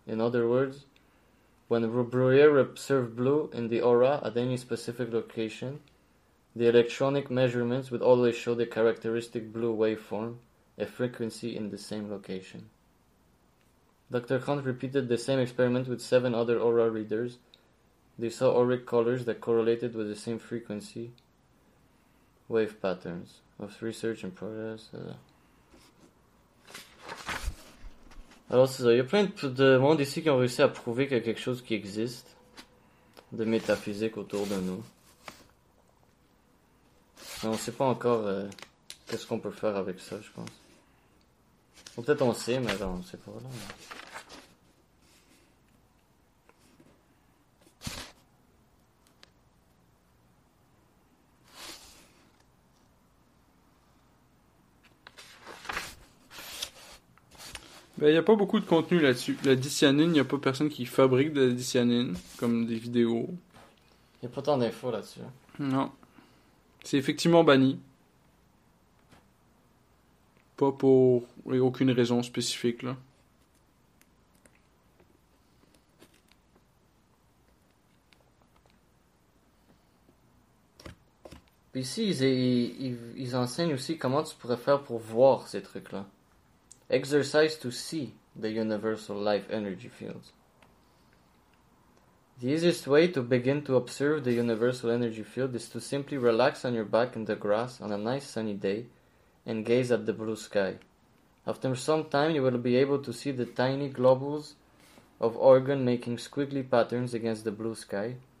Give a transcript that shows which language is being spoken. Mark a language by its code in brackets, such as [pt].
[en] In other words, when Bruyere observed blue in the aura at any specific location, the electronic measurements would always show the characteristic blue waveform, a frequency in the same location. Dr. Hunt repeated the same experiment with seven other aura readers. They saw auric colors that correlated with the same frequency wave patterns of research and progress. [fr] Alors c'est ça, il y a plein de monde ici qui ont réussi à prouver qu'il y a quelque chose qui existe de métaphysique autour de nous. Mais on sait pas encore qu'est-ce qu'on peut faire avec ça, je pense. Ou peut-être on sait, mais on sait pas. Là, mais... Il n'y a pas beaucoup de contenu là-dessus. La dicyanine, il n'y a pas personne qui fabrique de la dicyanine, comme des vidéos. Il n'y a pas tant d'infos là-dessus. Non. C'est effectivement banni. Pas pour aucune raison spécifique, là. Puis ici, ils enseignent aussi comment tu pourrais faire pour voir ces trucs-là. [en] Exercise to see the universal life energy fields. The easiest way to begin to observe the universal energy field is to simply relax on your back in the grass on a nice sunny day and gaze at the blue sky. After some time, you will be able to see the tiny globules of organ making squiggly patterns against the blue sky.